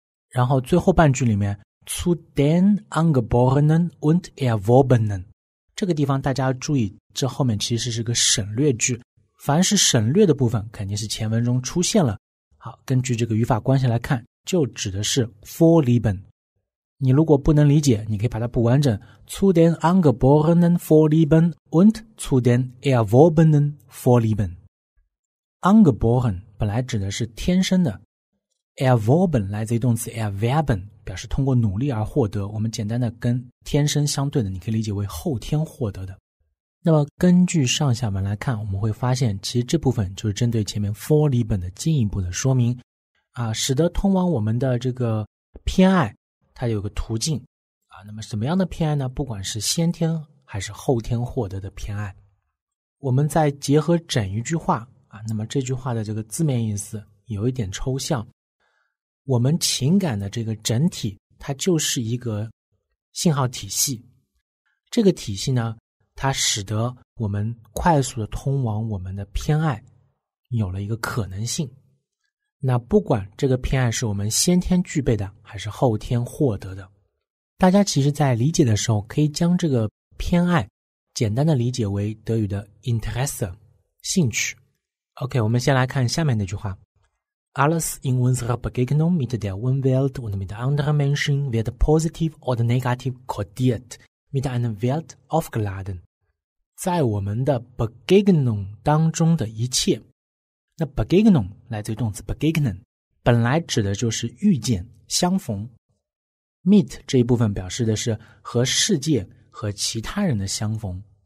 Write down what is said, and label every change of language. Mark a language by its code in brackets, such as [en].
[zh] 然后最后半句里面 [de] zu den angeborenen und erworbenen， [zh] 这个地方大家要注意，这后面其实是个省略句，凡是省略的部分肯定是前文中出现了。好，根据这个语法关系来看，就指的是 vorlieben。你如果不能理解，你可以把它补完整 [de] zu den angeborenen vorlieben und zu den erworbenen vorlieben。 [zh] angeboren 本来指的是天生的， erworben 来自于动词 erwerben， 表示通过努力而获得，我们简单的跟天生相对的，你可以理解为后天获得的。那么根据上下文来看，我们会发现其实这部分就是针对前面 vorlieben 的进一步的说明啊，使得通往我们的这个偏爱它有个途径啊。那么什么样的偏爱呢？不管是先天还是后天获得的偏爱，我们再结合整一句话啊，那么这句话的这个字面意思有一点抽象，我们情感的这个整体它就是一个信号体系，这个体系呢它使得我们快速的通往我们的偏爱有了一个可能性。那不管这个偏爱是我们先天具备的还是后天获得的，大家其实在理解的时候可以将这个偏爱简单的理解为德语的 Interesse， 兴趣。 [de] OK， [zh] 我们先来看下面那句话， [de] Alles in unserer Begegnung mit der Umwelt und mit anderen Menschen wird positiv oder negativ kodiert mit einer Welt aufgeladen。 [zh] 在我们的 Begegnung 当中的一切，那 begegnung 来自于动词 begegnen， 本来指的就是遇见相逢， meet 这一部分表示的是和世界和其他人的相逢。